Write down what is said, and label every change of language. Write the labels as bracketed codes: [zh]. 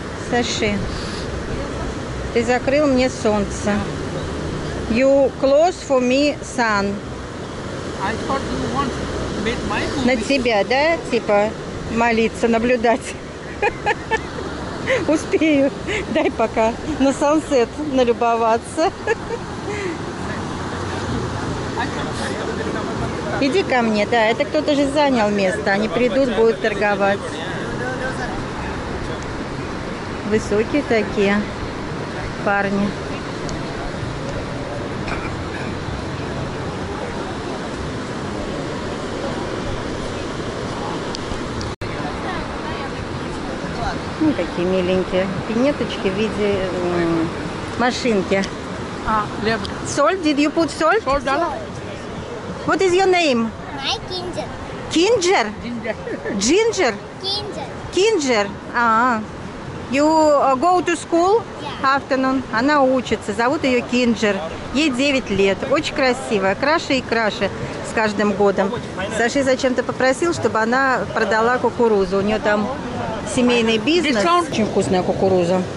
[ru] Саши, ты закрыл мне солнце. [en] You close for me sun. I thought you want to meet my movie. [ru] На тебя, да? Типа молиться, наблюдать. Успею. Дай пока на сансет налюбоваться. Иди ко мне, да. Это кто-то же занял место. Они придут, будут торговать. Высокие такие парни. Ну, такие миленькие. Пинеточки в виде машинки. Соль? [en] Did you put salt? Salt, [ru] да. [en] What is your name? My Ginger. Ginger? Ginger. Ginger. Ginger. You go to school afternoon. [ru] Она учится. Зовут ее Кинджер. Ей 9 лет. Очень красивая. Краше и краше с каждым годом. Саши зачем-то попросил, чтобы она продала кукурузу. У нее там семейный бизнес. Очень вкусная кукуруза.